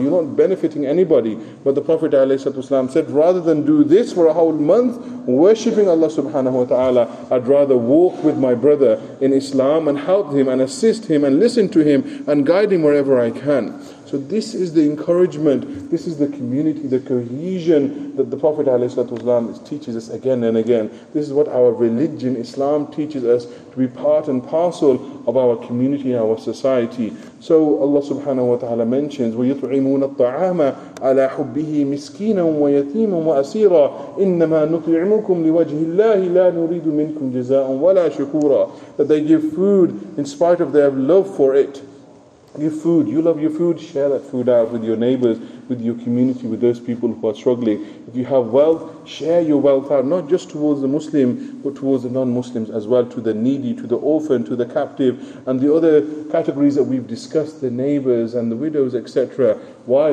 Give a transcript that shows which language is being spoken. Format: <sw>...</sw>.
<en>You're not benefiting anybody. But the Prophet ﷺ said, rather than do this for a whole month, worshipping Allah subhanahu wa ta'ala, I'd rather walk with my brother in Islam and help him and assist him and listen to him and guide him wherever I can. So this is the encouragement, this is the community, the cohesion that the Prophet ﷺ teaches us again and again. This is what our religion, Islam, teaches us, to be part and parcel of our community, our society. So Allah subhanahu wa ta'ala mentions,</en> <ar>وَيُطْعِمُونَ الطَّعَامَ عَلَىٰ حُبِّهِ مِسْكِينًا وَيَتِيمًا وَأَسِيرًا إِنَّمَا نُطْعِمُكُمْ لِوَجْهِ اللَّهِ لَا نُرِيدُ مِنْكُمْ جَزَاءً وَلَا شُكُورًا.</ar> <en>That they give food in spite of their love for it. Give food, you love your food, share that food out with your neighbors, with your community, with those people who are struggling. If you have wealth, share your wealth out, not just towards the Muslim, but towards the non-Muslims as well, to the needy, to the orphan, to the captive, and the other categories that we've discussed, the neighbors and the widows, etc. Why?</en>